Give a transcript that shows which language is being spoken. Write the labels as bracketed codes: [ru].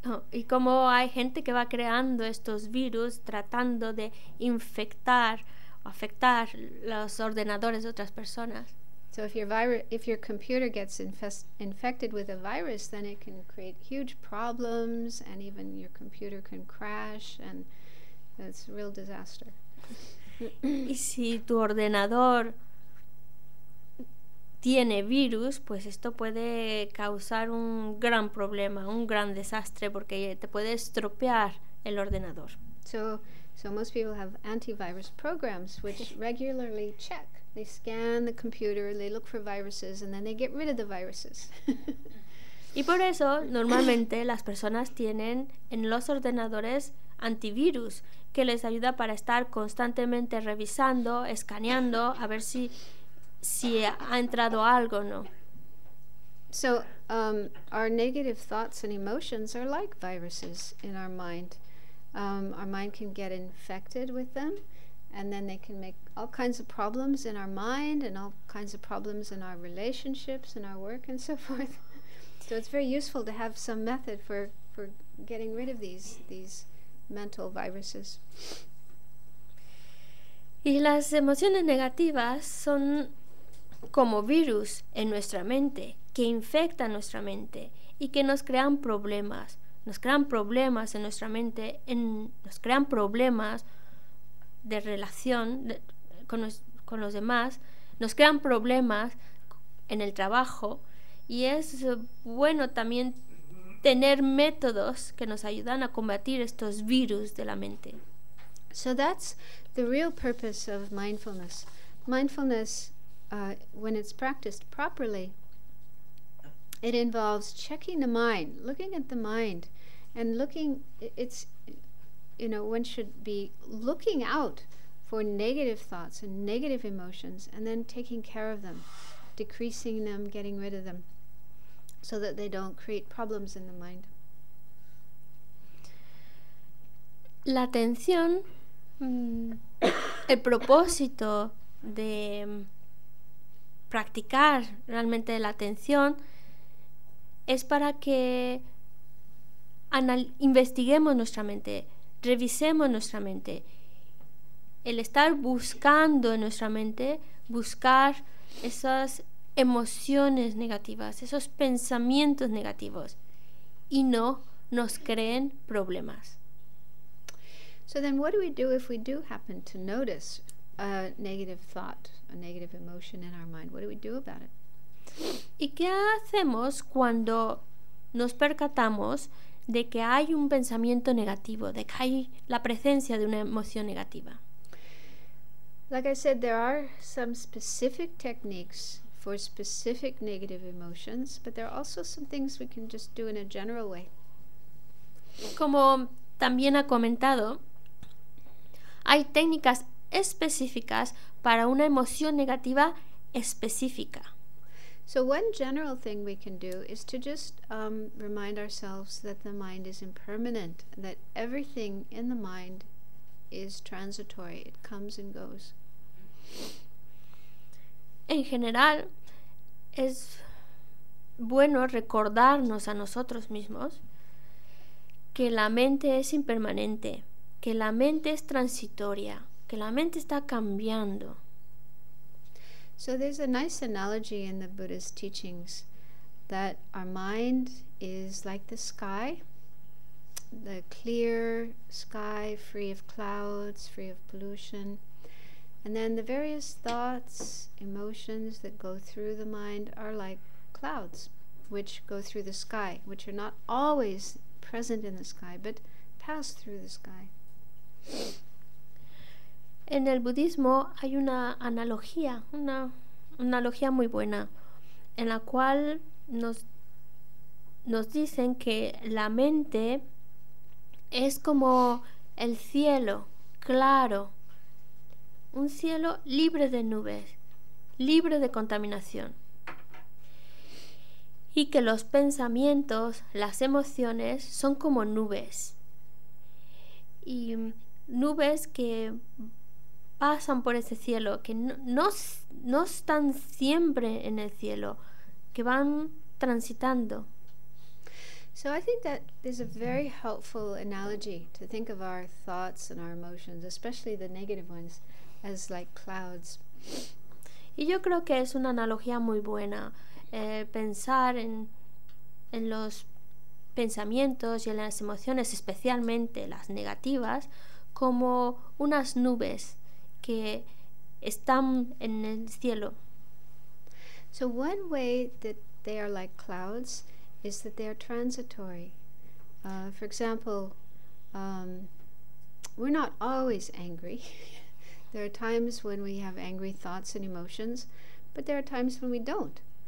[es] Y como hay gente que va creando estos virus tratando de infectar o afectar los ordenadores de otras personas. [en] So if your computer gets infected with a virus, then it can create huge problems and even your computer can crash and it's a real disaster. [es] Y si tu ordenador tiene virus, pues esto puede causar un gran problema, un gran desastre, porque te puede estropear el ordenador. [en] So most people have antivirus programs which regularly check. They scan the computer, they look for viruses, and then they get rid of the viruses. [es] Y por eso, normalmente, las personas tienen en los ordenadores antivirus, que les ayuda para estar constantemente revisando, escaneando, a ver si ha entrado algo o no. [en] So, our negative thoughts and emotions are like viruses in our mind. Our mind can get infected with them, and then they can make all kinds of problems in our mind and all kinds of problems in our relationships and our work and so forth. So it's very useful to have some method for getting rid of these mental viruses. [es] Y las emociones negativas son como virus en nuestra mente, que infectan nuestra mente y que nos crean problemas en nuestra mente, nos crean problemas de relación con los demás, nos crean problemas en el trabajo. Y es bueno también tener métodos que nos ayudan a combatir estos virus de la mente. [en] So that's the real purpose of mindfulness. Mindfulness, when it's practiced properly, it involves checking the mind, looking at the mind, and looking, it's, you know, one should be looking out for negative thoughts and negative emotions and then taking care of them, decreasing them, getting rid of them, so that they don't create problems in the mind. [es] La atención, el propósito de practicar realmente la atención es para que investiguemos nuestra mente, revisemos nuestra mente. El estar buscando en nuestra mente, buscar esas emociones negativas, esos pensamientos negativos, y no nos creen problemas. [en] So then what do we do if we do happen to notice a negative thought, a negative emotion in our mind? What do we do about it? [es] ¿Y qué hacemos cuando nos percatamos de que hay un pensamiento negativo, de que hay la presencia de una emoción negativa? [en] Like I said, there are some specific techniques for specific negative emotions, but there are also some things we can just do in a general way. [es] Como también ha comentado, hay técnicas específicas para una emoción negativa específica. [en] So one general thing we can do is to just remind ourselves that the mind is impermanent, that everything in the mind is transitory, it comes and goes. [es] En general, es bueno recordarnos a nosotros mismos que la mente es impermanente, que la mente es transitoria, que la mente está cambiando. [en] So there's a nice analogy in the Buddha's teachings that our mind is like the sky, the clear sky, free of clouds, free of pollution. And then the various thoughts, emotions that go through the mind are like clouds which go through the sky, which are not always present in the sky, but pass through the sky. [es] En el budismo hay una analogía muy buena, en la cual nos dicen que la mente es como el cielo claro, un cielo libre de nubes, libre de contaminación, y que los pensamientos, las emociones son como nubes, y nubes que pasan por ese cielo, que no están siempre en el cielo, que van transitando. [en] So I think that is a very helpful analogy to think of our thoughts and our emotions, especially the negative ones, as like clouds. [es] Y yo creo que es una analogía muy buena pensar en los pensamientos y en las emociones, especialmente las negativas, como unas nubes que están en el cielo. [en] So one way that they are like clouds is that they are transitory. For example, we're not always angry. There are times when we have angry thoughts and emotions, but there are times when we don't.